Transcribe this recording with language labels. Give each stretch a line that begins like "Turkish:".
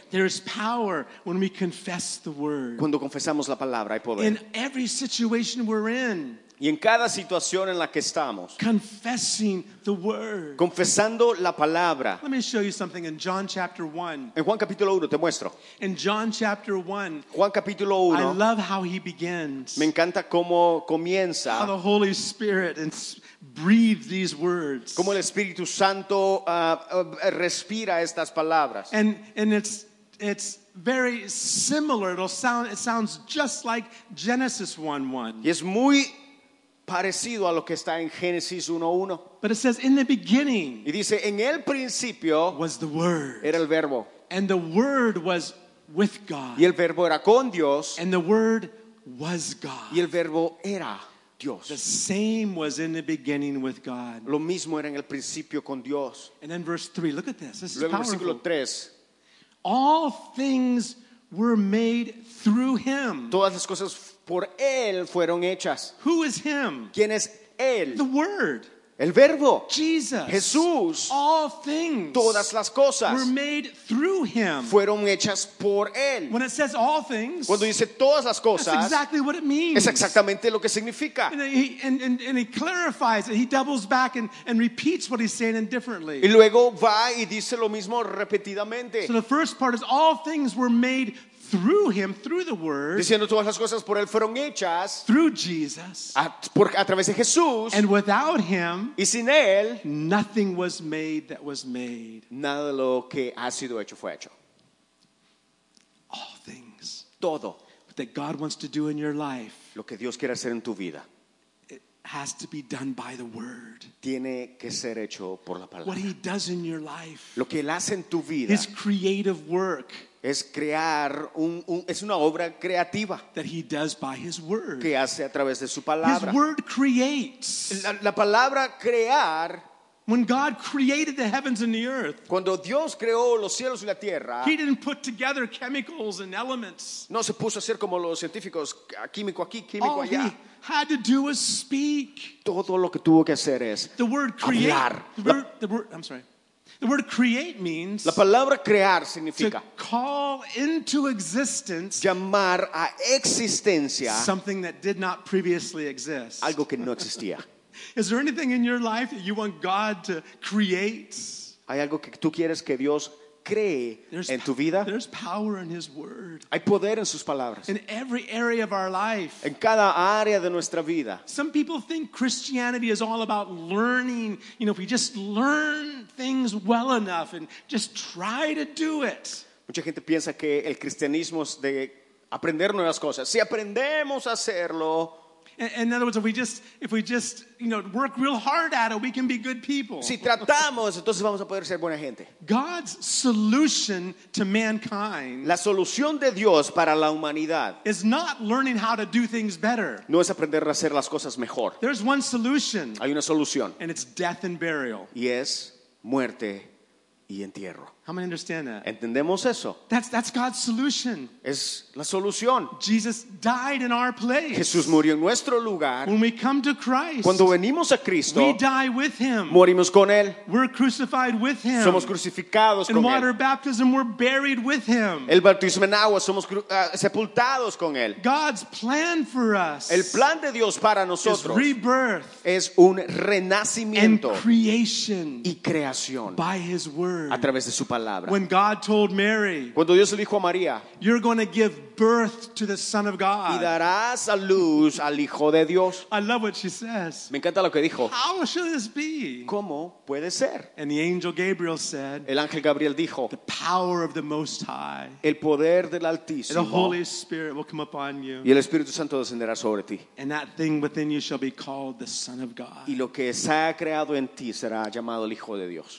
English: There is power when we confess the word.
Spanish: Cuando confesamos la palabra hay poder.
English: In every situation we're in.
Spanish: Y en cada situación en la que estamos,
English: confessing the word.
Spanish: Confesando la palabra.
English: Let me show you something in John chapter 1.
Spanish: En Juan capítulo 1 te muestro.
English: In John chapter 1.
Spanish: Juan capítulo 1.
English: I love how he begins.
Spanish: Me encanta cómo comienza.
English: How the Holy Spirit breathe these words.
Spanish: Cómo el Espíritu Santo respira estas palabras.
English: And it's very similar. It sounds just like Genesis 1:1.
Spanish: Y es muy parecido a lo que está en Génesis 1:1.
English: But it says in the beginning.
Spanish: Y dice en el principio
English: was the word.
Spanish: Era el verbo.
English: And the word was with God.
Spanish: Y el verbo era con Dios.
English: And the word was God.
Spanish: Y el verbo era Dios.
English: The same was in the beginning with God.
Spanish: Lo mismo era en el principio con Dios.
English: And then verse 3. Look at this. This luego is powerful.
Spanish: Luego versículo 3.
English: All things were made through him.
Spanish: Todas las cosas por él fueron hechas.
English: Who is him?
Spanish: ¿Quién es él?
English: The word.
Spanish: El verbo.
English: Jesus.
Spanish: Jesús.
English: All things.
Spanish: Todas las cosas.
English: Were made through him.
Spanish: Fueron hechas por él.
English: When it says all things.
Spanish: Cuando dice todas las cosas.
English: That's exactly what it means.
Spanish: Es exactamente lo que significa.
English: And he clarifies it. He doubles back and repeats what he's saying indifferently.
Spanish: Y luego va y dice lo mismo repetidamente.
English: So the first part is all things were made through him, through the word.
Spanish: Diciendo todas las cosas por él fueron hechas.
English: Through Jesus.
Spanish: A través de Jesús.
English: And without him.
Spanish: Y sin él.
English: Nothing was made that was made.
Spanish: Nada de lo que ha sido hecho fue hecho.
English: All things.
Spanish: Todo.
English: But that God wants to do in your life.
Spanish: Lo que Dios quiere hacer en tu vida.
English: It has to be done by the word.
Spanish: Tiene que ser hecho por la palabra.
English: What he does in your life.
Spanish: Lo que él hace en tu vida.
English: His creative work.
Spanish: Es crear es una obra creativa
English: that he does by his word.
Spanish: Que hace a través de su palabra.
English: His word creates.
Spanish: La palabra crear.
English: When God created the heavens and the earth.
Spanish: Cuando Dios creó los cielos y la tierra.
English: He didn't put together chemicals and elements.
Spanish: No se puso a hacer como los científicos, químico aquí, químico allá.
English: All he had to do was speak.
Spanish: Todo lo que tuvo que hacer es
English: the word create,
Spanish: hablar.
English: The word create means
Spanish: la palabra crear significa
English: to call into existence
Spanish: llamar a existencia
English: something that did not previously exist.
Spanish: Algo que no existía.
English: Is there anything in your life that you want God to create?
Spanish: ¿Hay algo que tú quieres que Dios cree en tu vida?
English: There's power in his word.
Spanish: Hay poder en sus palabras.
English: In every area of our life.
Spanish: En cada área de nuestra vida.
English: Some people think Christianity is all about learning. You know, if we just learn things well enough and just try to do it.
Spanish: Mucha gente piensa que el cristianismo es de aprender nuevas cosas. Si aprendemos a hacerlo.
English: In other words, if we just you know work real hard at it, we can be good people.
Spanish: Si tratamos, entonces vamos a poder ser buena gente.
English: God's solution to mankind.
Spanish: La solución de Dios para la humanidad.
English: Is not learning how to do things better.
Spanish: No es aprender a hacer las cosas mejor.
English: There's one solution.
Spanish: Hay una solución.
English: And it's death and burial.
Spanish: Y es muerte y entierro.
English: How many understand that?
Spanish: Entendemos eso.
English: That's God's solution.
Spanish: Es la solución.
English: Jesus died in our place.
Spanish: Jesús murió en nuestro lugar.
English: When we come to Christ,
Spanish: cuando venimos a Cristo,
English: we die with him.
Spanish: Morimos con él.
English: We're crucified with him.
Spanish: Somos crucificados
English: in
Spanish: con
English: water
Spanish: él.
English: Baptism, we're buried with him.
Spanish: El bautismo en agua, somos sepultados con él.
English: God's plan for us.
Spanish: El plan de Dios para nosotros
English: is rebirth.
Spanish: Es un renacimiento.
English: And creation.
Spanish: Y creación.
English: By his word.
Spanish: A través de su palabra.
English: When God told Mary,
Spanish: cuando Dios le dijo a María,
English: you're going to give birth to the Son of God.
Spanish: Y darás a luz al Hijo de Dios.
English: I love what she says.
Spanish: Me encanta lo que dijo.
English: How shall this be?
Spanish: ¿Cómo puede ser?
English: And the angel Gabriel said,
Spanish: el ángel Gabriel dijo,
English: the power of the Most High,
Spanish: el poder del Altísimo,
English: and the Holy Spirit will come upon you,
Spanish: y el Espíritu Santo descenderá sobre ti,
English: and that thing within you shall be called the Son of God.
Spanish: Y lo que se ha creado en ti será llamado el Hijo de Dios.